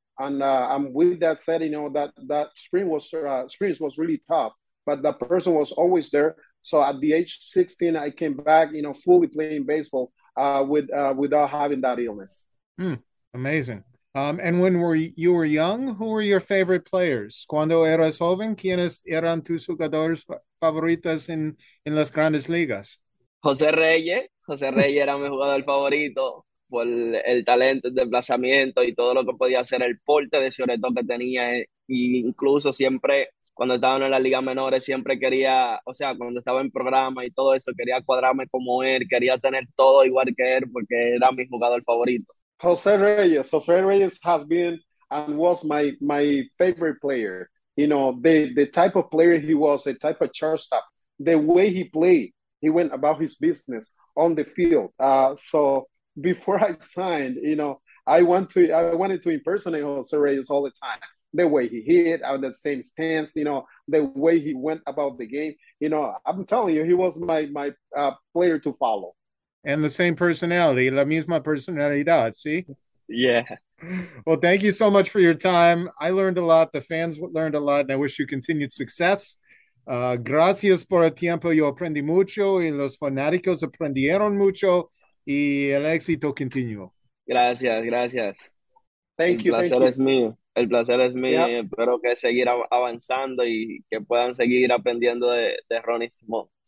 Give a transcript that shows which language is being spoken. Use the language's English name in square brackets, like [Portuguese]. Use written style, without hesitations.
[English] And with that said, you know, that spring was really tough, but the person was always there. So at the age 16, I came back, you know, fully playing baseball without having that illness. Hmm. Amazing. And when you were young, who were your favorite players? [Spanish] Cuando eras joven, ¿quiénes eran tus jugadores favoritos en las grandes ligas? José Reyes. José Reyes era mi jugador favorito por el talento, el desplazamiento y todo lo que podía hacer, el porte de Cioreto que tenía. E incluso siempre, cuando estaba en la liga menores, siempre quería, o sea, cuando estaba en programa y todo eso, quería cuadrarme como él, quería tener todo igual que él porque era mi jugador favorito. [English] José Reyes has been and was my favorite player. You know, the type of player he was, the type of shortstop, the way he played, he went about his business on the field. So before I signed, you know, I wanted to impersonate José Reyes all the time. The way he hit, out of the same stance, you know, the way he went about the game. You know, I'm telling you, he was my player to follow. And the same personality, [Spanish] la misma personalidad, ¿sí? [English] Yeah. Well, thank you so much for your time. I learned a lot. The fans learned a lot, and I wish you continued success. [Spanish] Gracias por el tiempo. Yo aprendí mucho, y los fanáticos aprendieron mucho, y el éxito continuo. Gracias, gracias. [English] Thank you. [Spanish] El placer es mío. El placer es mío. Yep. Espero que seguir avanzando y que puedan seguir aprendiendo de Ronnie Smoke.